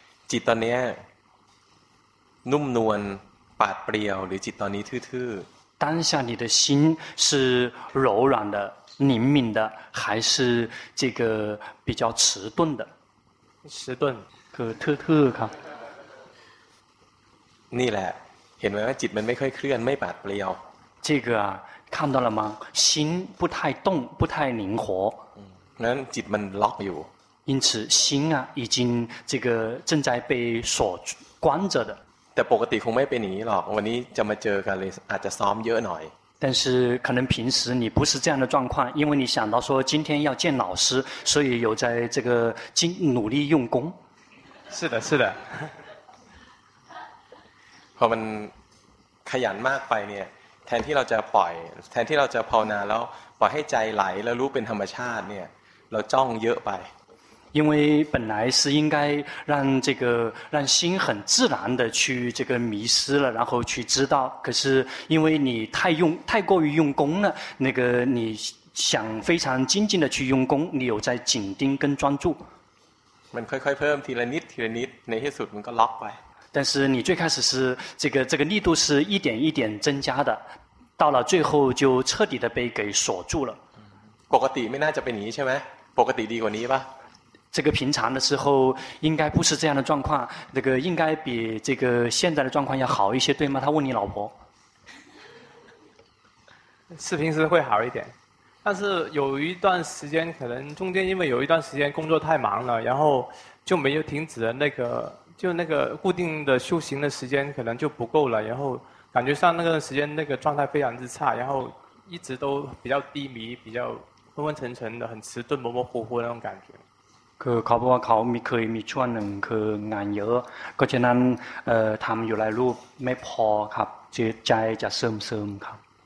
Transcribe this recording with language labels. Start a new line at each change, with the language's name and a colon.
Thai: จิตตอนนี้นุ่มนวลปาดเปรียวหรือจิตตอนนี้ทื่อ
Chinese: ๆ当下你的心是柔软的灵敏的还是这个比较迟钝的迟钝
Thai: คือทื่อๆครับ นี่แหละเห็นไหมว่าจิตมันไม่ค่อยเคลื่อนไม่ปาดเปรียว
Chinese: 这个啊看到了吗心不太动不太灵活
Thai: นั้นจิตมันล็อกอยู่
Chinese: 因此心啊已经这个正在被锁关着的
Thai: แต่ปกติคงไม่เป็นอย่างนี้หรอกวันนี้จะมาเจอกันเลยอาจจะซ้อมเยอะหน่อย
Chinese: 但是可能平时你不是这样的状况因为你想到说今天要见老师所以有在这个努力用功是的是的
Thai: พอมันขยันมากไปเนี่ยแทนที่เราจะปล่อยแทนที่เราจะภาวนาแล้วปล่อยให้ใจไหลแล้วรู้เป็นธรรมชาติเนี่ยเราจ้องเยอะไป
Chinese: 因为本来是应该让这个让心很自然的去这个迷失了然后去知道可是因为你太过于用功了那个你想非常精进的去用功，你有在紧盯跟专注。
Thai: มันค่อยๆเพิ่มทีละนิดทีละนิดในที่สุดมันก็ล็อกไป。
Chinese: 但是你最开始是这个力度是一点一点增加的，到了最后就彻底的被给锁住了。
Thai: ปกติไม่น่าจะเป็นนี้ใช่ไหม？ ปกติดีกว่านี้ป่ะ？
Chinese: 这个平常的时候应该不是这样的状况，那个应该比这个现在的状况要好一些，对吗？他问你老婆。是平时会好一点，但是有一段时间可能中间因为有一段时间工作太忙了，然后就没有停止了那个就那个固定的修行的时间可能就不够了，然后感觉上那个时间那个状态非常之差，然后一直都比较低迷，比较昏昏沉沉的，很迟钝，模模糊糊那种感觉。
Thai: คือเขาบอกว่าเขามีเคยมีช่วงหนึ่งคืองานเยอะก็ฉะนั้นทำอยู่หลายรูปไม่พอครับจิตใจจะเสื่อมๆครับ